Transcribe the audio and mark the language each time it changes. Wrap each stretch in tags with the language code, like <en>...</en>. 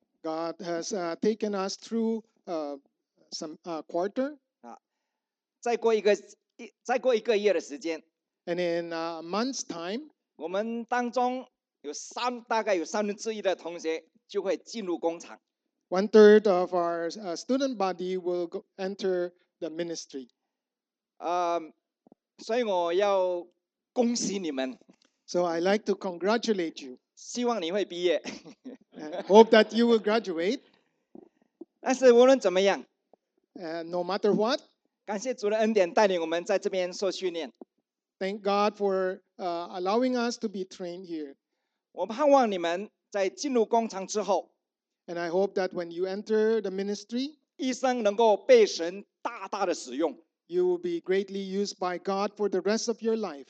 <en>God has taken us through some quarter.</en> <zh>再过一个月的时间。</zh> <en>And in a month's time,</en> <zh>我们当中大概有三分之一的同学就会进入工厂。</zh> <en>One third of our student body will enter the ministry.</en> <zh>所以我要恭喜你们。</zh> <en>So I'd like to congratulate you.</en> <zh>希望你会毕业。</zh> <en>Hope that you will graduate.</en> <zh>但是无论怎么样。</zh> <en>No matter what.</en> <zh>感谢主的恩典带领我们在这边受训练。</zh> <en>Thank God for allowing us to be trained here.</en> <zh>我盼望你们在进入工厂之后。</zh> <en>And I hope that when you enter the ministry,</en> <zh>一生能够被神大大的使用。</zh> <en>You will be greatly used by God for the rest of your life.</en>